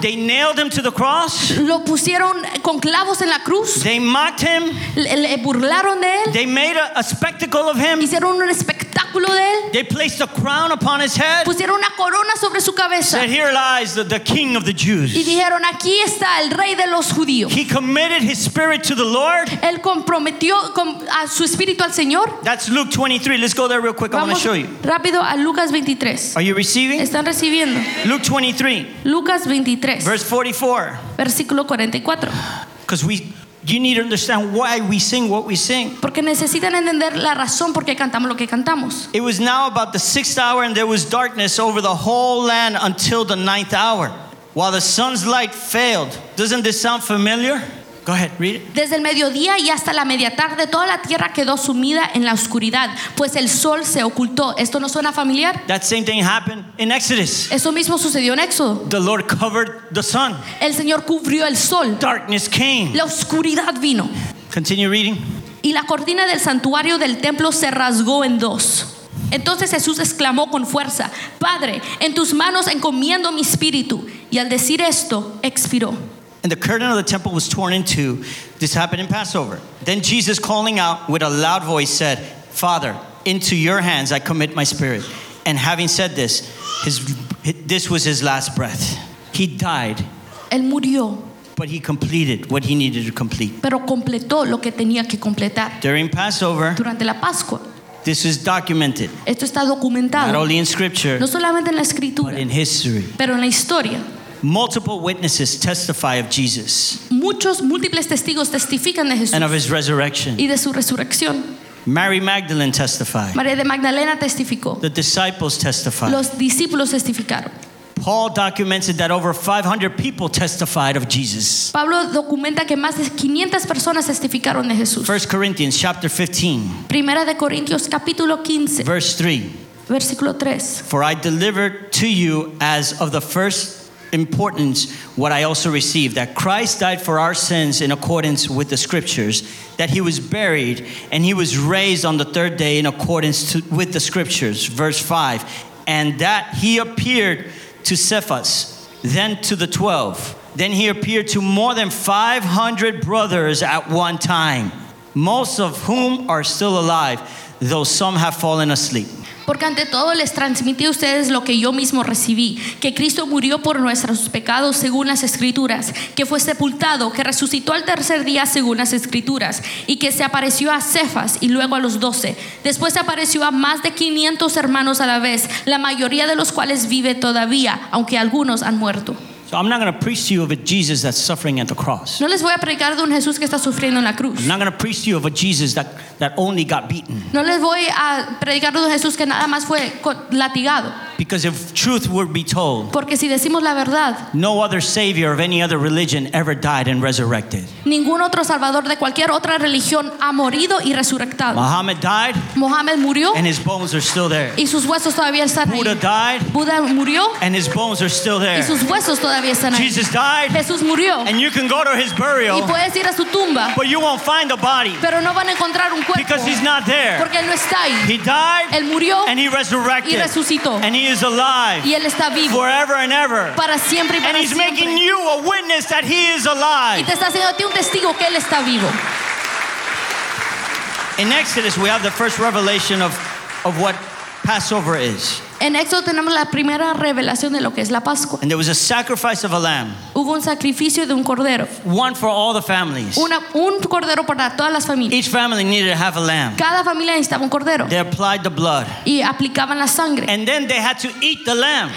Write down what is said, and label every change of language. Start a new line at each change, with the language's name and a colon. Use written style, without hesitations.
English: They nailed him to the cross.
Spanish: Lo pusieron con clavos en la cruz.
English: They mocked him.
Spanish: Le burlaron de él.
English: They made a spectacle of him.
Spanish: Hicieron un espectáculo de él.
English: They placed a crown upon his head.
Spanish: Pusieron una corona sobre su cabeza.
English: Said, here lies the king of the Jews.
Spanish: Y dijeron, aquí está el rey de los judíos.
English: He committed his spirit to the Lord.
Spanish: Él comprometió a su espíritu al Señor.
English: That's Luke 23. Let's go there real quick.
Spanish: Vamos.
English: I want to show you.
Spanish: Rápido a Lucas 23.
English: Are you receiving?
Spanish: Están recibiendo.
English: Luke 23.
Spanish: Lucas 23.
English: Verse 44.
Spanish: Versículo 44.
English: Because you need to understand why we sing what we sing.
Spanish: Porque necesitan entender la razón por qué cantamos lo que cantamos.
English: It was now about the sixth hour and there was darkness over the whole land until the ninth hour, while the sun's light failed. Doesn't this sound familiar? Go ahead, read it.
Spanish: Desde el mediodía y hasta la media tarde, toda la tierra quedó sumida en la oscuridad, pues el sol se ocultó. ¿Esto no suena familiar?
English: That same thing happened in Exodus.
Spanish: Eso mismo sucedió en Éxodo.
English: The Lord covered the sun.
Spanish: El Señor cubrió el sol.
English: Darkness came.
Spanish: La oscuridad vino.
English: Continue reading.
Spanish: Y la cortina del santuario del templo se rasgó en dos. Entonces Jesús exclamó con fuerza, Padre, en tus manos encomiendo mi espíritu. Y al decir esto, expiró.
English: And the curtain of the temple was torn in two. This happened in Passover. Then Jesus, calling out with a loud voice, said, Father, into your hands I commit my spirit. And having said this, this was his last breath. He died.
Spanish: Él murió.
English: But he completed what he needed to complete.
Spanish: Pero completó lo que tenía que completar.
English: During Passover,
Spanish: durante la Pascua,
English: this is documented.
Spanish: Esto está documentado.
English: Not only in Scripture,
Spanish: no solamente en la Escritura,
English: but in history.
Spanish: Pero en la historia.
English: Multiple witnesses testify of Jesus.
Spanish: Muchos múltiples testigos testifican de Jesús.
English: And of his resurrection.
Spanish: Y de su resurrección.
English: Mary Magdalene testified.
Spanish: María de Magdalena testificó.
English: The disciples testified.
Spanish: Los discípulos testificaron.
English: Paul documented that over 500 people testified of Jesus.
Spanish: Pablo documenta que más de 500 personas testificaron de Jesús.
English: 1 Corinthians chapter 15.
Spanish: Primera de Corintios capítulo 15.
English: Verse 3.
Spanish: Versículo 3.
English: For I delivered to you as of the first importance what I also received, that Christ died for our sins in accordance with the Scriptures, that he was buried and he was raised on the third day in accordance with the Scriptures. Verse 5. And that he appeared to Cephas, then to the 12. Then he appeared to more than 500 brothers at one time, most of whom are still alive, though some have fallen asleep.
Spanish: Porque ante todo les transmití a ustedes lo que yo mismo recibí, que Cristo murió por nuestros pecados según las Escrituras, que fue sepultado, que resucitó al tercer día según las Escrituras, y que se apareció a Cefas y luego a los 12. Después se apareció a más de 500 hermanos a la vez, la mayoría de los cuales vive todavía, aunque algunos han muerto.
English: So I'm not going to preach to you of a Jesus that's suffering at the cross.
Spanish: No les voy a predicar de un Jesús que está sufriendo en la cruz.
English: I'm not going to preach to you of a Jesus that only got beaten.
Spanish: No les voy a predicar de un Jesús que nada más fue latigado.
English: Because if truth were be told,
Spanish: porque si decimos la verdad,
English: no other savior of any other religion ever died and resurrected.
Spanish: Ningún otro salvador de cualquier otra religión ha morido y resucitado.
English: Muhammad died.
Spanish: Muhammad murió.
English: And his bones are still there.
Spanish: Y sus huesos todavía están ahí.
English: Buddha died.
Spanish: Buda murió.
English: And his bones are still there.
Spanish: Y sus huesos todavía están ahí.
English: Jesus died.
Spanish: Jesús murió.
English: And you can go to his burial.
Spanish: Y puedes ir a su tumba.
English: But you won't find a body.
Spanish: Pero no van a encontrar un cuerpo.
English: Because he's not there.
Spanish: Porque él no está ahí.
English: He died.
Spanish: Él murió.
English: And he resurrected.
Spanish: Y resucitó.
English: And he is alive.
Spanish: Y él está vivo.
English: Forever and ever.
Spanish: Para siempre y para
English: and he's
Spanish: siempre.
English: Making you a witness that he is alive.
Spanish: Y te está haciendo a ti un testigo que él está vivo.
English: In Exodus, we have the first revelation of what Passover is.
Spanish: En Éxodo tenemos la primera revelación de lo que es la Pascua.
English: And there was a sacrifice of a lamb.
Spanish: Hubo un sacrificio de un cordero.
English: One for all the families.
Spanish: Un cordero para todas las familias.
English: Each family needed to have a lamb.
Spanish: Cada familia necesitaba un cordero.
English: They applied the blood.
Spanish: Y aplicaban la sangre.
English: And then they had to eat the lamb.